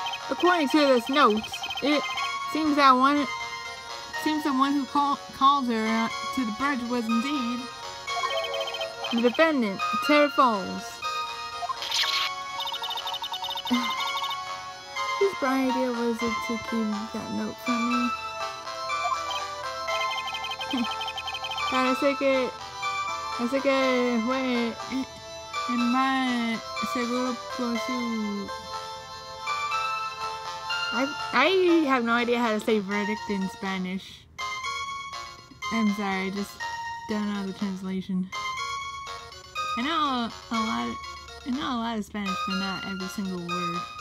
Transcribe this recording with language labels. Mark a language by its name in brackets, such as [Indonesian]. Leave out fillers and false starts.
[English] According to this note, it seems that the one who called her to the bridge was indeed the defendant, Terry Falls. What idea was it to keep that note from me? [Spanish] Pero sé que fue el más seguro posible. [English] I have no idea how to say verdict in Spanish. I'm sorry, I just don't know the translation. I know a lot of Spanish, but not every single word.